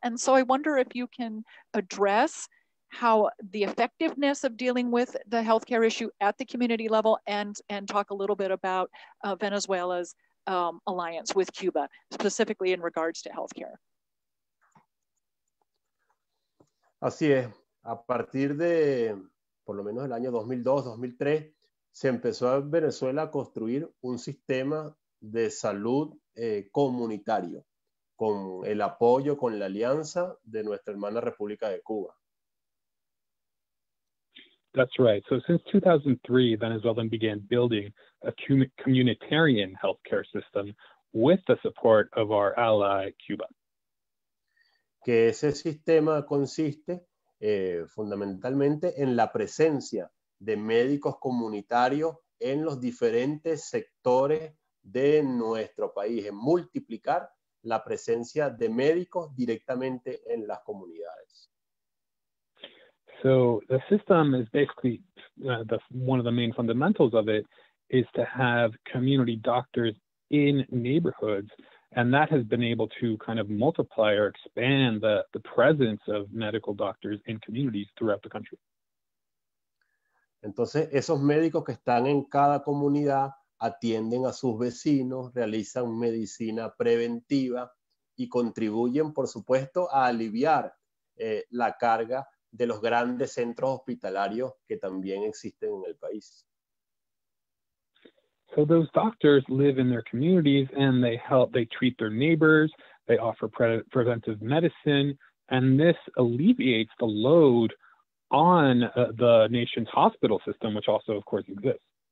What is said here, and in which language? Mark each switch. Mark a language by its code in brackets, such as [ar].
[en] And so I wonder if you can address how the effectiveness of dealing with the healthcare issue at the community level, and talk a little bit about Venezuela's alliance with Cuba, specifically in regards to healthcare. [es] Así es. A partir de, por lo menos, el año 2002-2003, se empezó en Venezuela a construir un sistema de salud comunitario con el apoyo, con la alianza de nuestra hermana República de Cuba. [en] That's right. So since 2003, Venezuela began building a communitarian healthcare system with the support of our ally, Cuba. [es] Que ese sistema consiste fundamentalmente en la presencia de médicos comunitarios en los diferentes sectores de nuestro país, en multiplicar la presencia de médicos directamente en las comunidades. [en] So the system is basically, one of the main fundamentals of it is to have community doctors in neighborhoods. And that has been able to kind of multiply or expand the presence of medical doctors in communities throughout the country. [es] Entonces, esos médicos que están en cada comunidad atienden a sus vecinos, realizan medicina preventiva y contribuyen, por supuesto, a aliviar la carga de los grandes centros hospitalarios que también existen en el país. [en] So those doctors live in their communities and they help, they treat their neighbors, they offer preventive medicine, and this alleviates the load on the nation's hospital system, which also, of course, exists.